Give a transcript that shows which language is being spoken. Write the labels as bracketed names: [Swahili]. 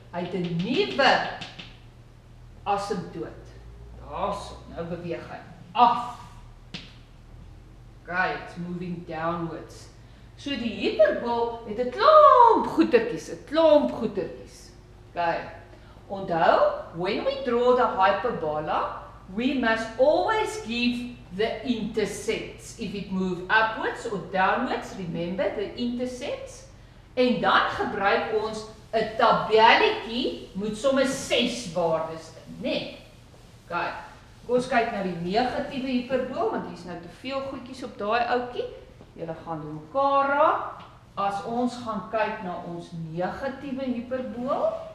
[Afrikaans] Hy het 'n nuwe asimptoot. Daarso, nou beweeg hy af. [English] Okay, it's moving downwards. [Afrikaans] So die hiperbol het 'n klomp goetertjies, 'n klomp goetertjies. Okay. Onthou, [English] when we draw the hyperbola, we must always give the intercepts. If it move upwards or downwards, remember the intercepts. [Afrikaans] En dan gebruik ons 'n tabelletjie met sommer 6 waardes in, nê? Okay. Kom ons kyk na die negatiewe hiperbol, want hier's nou te veel goedjies op daai ouetjie. Julle gaan doen mekaar raak. As ons gaan kyk na ons negatiewe hiperbool.